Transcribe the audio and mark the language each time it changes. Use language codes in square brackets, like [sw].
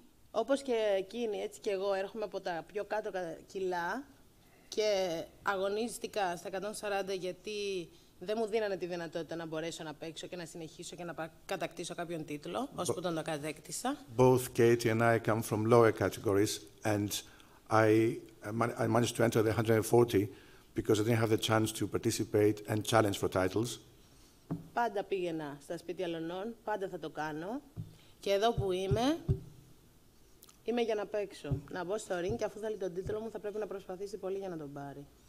[el] Όπως και εκείνη, έτσι και εγώ, έρχομαι από τα πιο κάτω κιλά και αγωνίστηκα στα 140 γιατί δεν μου δίνανε τη δυνατότητα να μπορέσω να παίξω και να συνεχίσω και να κατακτήσω κάποιον τίτλο, ώσπου τον το κατέκτησα. [en] Both Katie and I come from lower categories and I managed to enter the 140 because I didn't have the chance to participate and challenge for titles. [el] Πάντα πήγαινα στα σπίτια Λονών, πάντα θα το κάνω. Και εδώ που είμαι, είμαι για να παίξω. Να μπω στο ring και αφού θέλει τον τίτλο μου, θα πρέπει να προσπαθήσει πολύ για να τον πάρει.